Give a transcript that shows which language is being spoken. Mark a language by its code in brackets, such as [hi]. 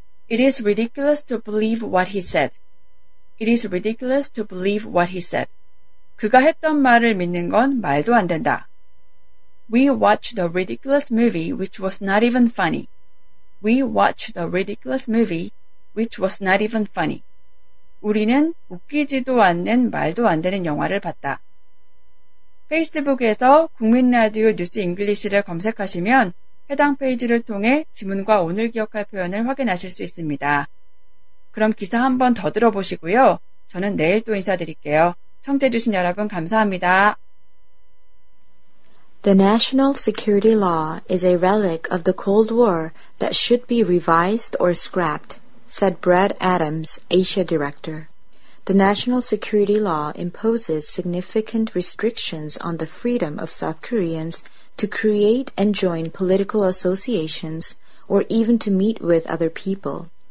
[en] It is ridiculous to believe what he said. It is ridiculous to believe what he said. [ko] 그가 했던 말을 믿는 건 말도 안 된다. [en] We watched a ridiculous movie which was not even funny. We watched a ridiculous movie which was not even funny. [ko] 우리는 웃기지도 않는 말도 안 되는 영화를 봤다. 페이스북에서 국민라디오 뉴스 잉글리시를 검색하시면 해당 페이지를 통해 지문과 오늘 기억할 표현을 확인하실 수 있습니다. 그럼 기사 한 번 더 들어보시고요. 저는 내일 또 인사드릴게요. 청취해주신 여러분 감사합니다. [en] The National Security Law is a relic of the Cold War that should be revised or scrapped, said Brad Adams, Asia Director. The National Security Law imposes significant restrictions on the freedom of South Koreans to create and join political associations or even to meet with other people.